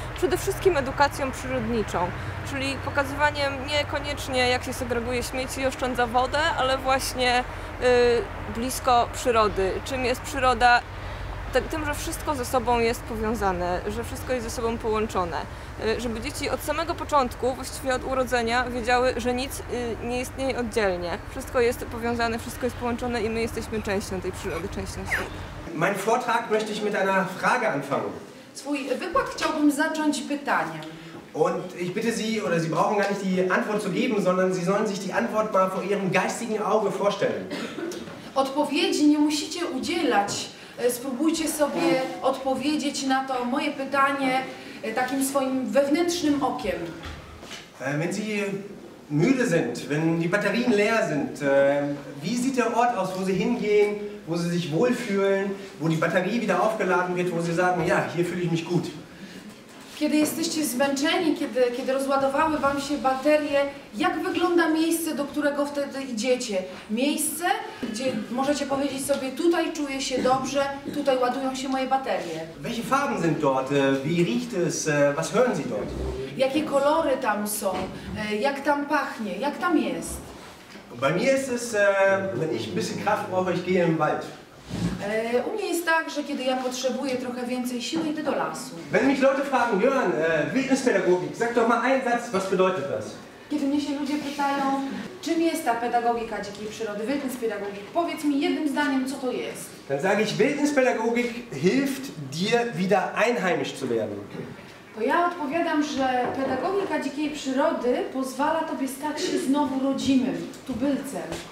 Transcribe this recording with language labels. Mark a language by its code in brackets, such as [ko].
[pl] Przede wszystkim edukacją przyrodniczą, czyli pokazywaniem niekoniecznie jak się segreguje śmieci i oszczędza wodę, ale właśnie blisko przyrody, czym jest przyroda, tym, że wszystko ze sobą jest powiązane, że wszystko jest ze sobą połączone. Żeby dzieci od samego początku, właściwie od urodzenia, wiedziały, że nic nie istnieje oddzielnie. Wszystko jest powiązane, wszystko jest połączone i my jesteśmy częścią tej przyrody, częścią świata. [de] Mein Vortrag möchte ich mit einer Frage anfangen. [pl] Swój wykład chciałbym zacząć pytaniem. [de] Und ich bitte Sie, oder Sie brauchen gar nicht die Antwort zu geben, sondern Sie sollen sich die Antwort mal vor Ihrem geistigen Auge vorstellen. [pl] Odpowiedzi nie musicie udzielać. Spróbujcie sobie odpowiedzieć na to moje pytanie takim swoim wewnętrznym okiem. [de] Wenn Sie müde sind, wenn die Batterien leer sind, wie sieht der Ort aus, wo Sie hingehen, wo Sie sich wohlfühlen, wo die Batterie wieder aufgeladen wird, wo Sie sagen, ja, hier fühle ich mich gut. [pl] Kiedy jesteście zmęczeni, kiedy rozładowały wam się baterie, jak wygląda miejsce, do którego wtedy idziecie? Miejsce, gdzie możecie powiedzieć sobie, tutaj czuję się dobrze, tutaj ładują się moje baterie. [de] Welche Farben sind dort? Wie riecht es? Was hören Sie dort? [pl] Jakie kolory tam są? Jak tam pachnie? Jak tam jest? [de] Bei mir ist es, wenn ich ein bisschen Kraft brauche, ich gehe im Wald. [pl] U mnie jest tak, że kiedy ja potrzebuję trochę więcej siły, idę do lasu. [de] Wenn mich Leute fragen, Jörn, Wildnispädagogik, sag doch mal einen Satz, was bedeutet das? [pl] Kiedy mnie się ludzie pytają, czym jest ta pedagogika dzikiej przyrody, Wildnispädagogik, powiedz mi jednym zdaniem, co to jest. [de] Dann sage ich, Wildnispädagogik hilft dir wieder einheimisch zu werden. [pl] To ja odpowiadam, że pedagogika dzikiej przyrody pozwala tobie stać się znowu rodzimym, tubylcem.